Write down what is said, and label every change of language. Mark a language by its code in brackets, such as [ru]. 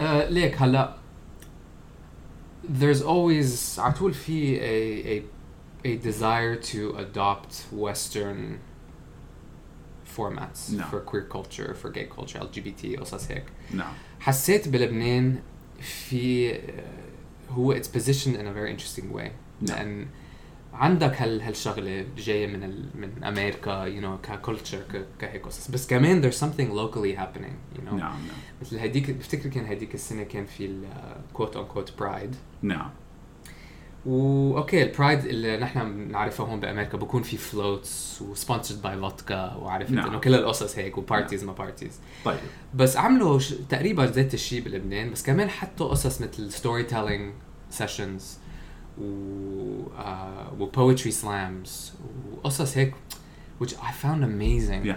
[ar] ليك هلا [en] there's always [ar] عطول في [en] a desire to adopt Western formats for queer culture, for gay culture, LGBT, [ar] قصص هيك. حسيت بلبنان في هو [en] it's positioned in a very interesting way. [ar] لأن عندك هالشغلة جاية من أمريكا, [en] you know, [ar] كculture, كهيك قصص. بس كمان [en] there's something locally happening, you know. [ar] مثل هديك بفتكر كان هديك السنة كان في ال [en] quote unquote pride. [ar] اوكي البرايد اللي نحن بنعرفه هون بامريكا بكون في فلوتس وسبونسرد باي فودكا وعرفت انه كل القصص هيك وبارتيز ما بارتيز. طيب بس عملوا تقريبا ذات الشيء بلبنان, بس كمان حطوا قصص مثل ستوري تيلينج سيشنز وبويتري سلامز وقصص هيك, [en] which I found amazing.